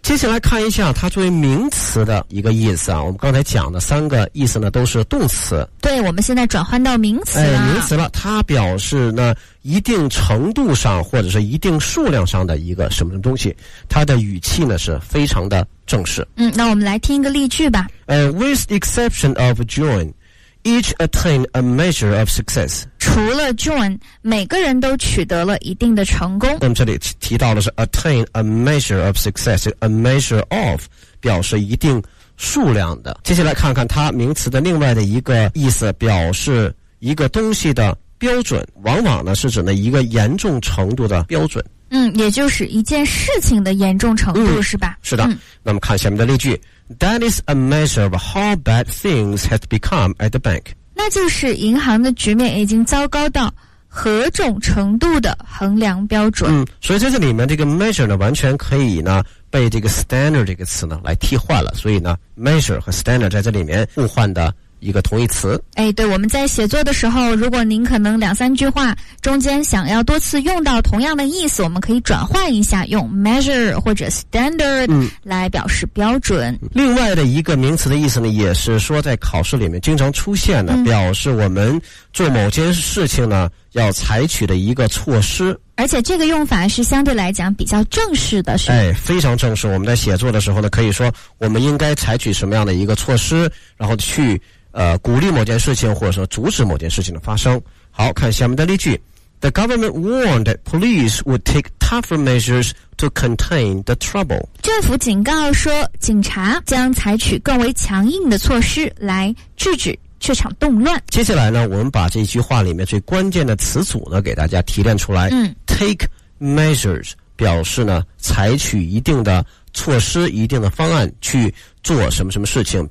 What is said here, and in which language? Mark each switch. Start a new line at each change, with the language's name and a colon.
Chinese: 接下来看一下它作为名词的一个意思啊，我们刚才讲的三个意思呢都是动词。对，我们现在转换到名词了、哎、名词了，它表示呢一定程度上或者是一定数量上的一个什么什么东西，它的语气呢是非常的正式。嗯，那我们来听一个例句吧。
English: With exception of John, each attained a measure of success.
Chinese: 除了 John, 每个人都取得了一定的成功。那么这里提到的是
English: attain a measure of
Chinese: success, a measure of 表示一定数量的。接下来看看它名词的另外的一个意思，表示一个东西的标准，往往呢是指呢一个严重程度的标准。嗯，也就是一件事情的严重程度、嗯、是吧？是的、嗯。那么看下面的例句
English: ，That is a measure of how bad things have become at the bank。
Chinese: 那就是银行的局面已经糟糕到何种程度的衡量标准。嗯，所以在这里面这个 measure 呢，完全可以呢被这个 standard 这个词呢来替换了。所以呢 ，measure 和 standard 在这里面互换的。一个同义词。哎，对，我们在写作的时候，如果您可能两三句话中间想要多次用到同样的意思，我们可以转换一下，用 measure 或者 standard 来表示标准、嗯、另外的一个名词的意思呢，也是说在考试里面经常出现的、嗯、表示我们做某件事情呢要采取的一个措施，而且这个用法是相对来讲比较正式的，是吧？哎，非常正式。我们在写作的时候呢，可以说我们应该采取什么样的一个措施，然后去鼓励某件事情或者说阻止某件事情的发生。好，看下面的例句。
English: The government warned that police would take tougher measures to contain the trouble.
Chinese: 政府警告说警察将采取更为强硬的措施来制止这场动乱。接下来呢，我们把这句话里面最关键的词组呢给大家提炼出来。嗯， take measures 表示呢采取一定的措施，一定的方案去做什么什么事情。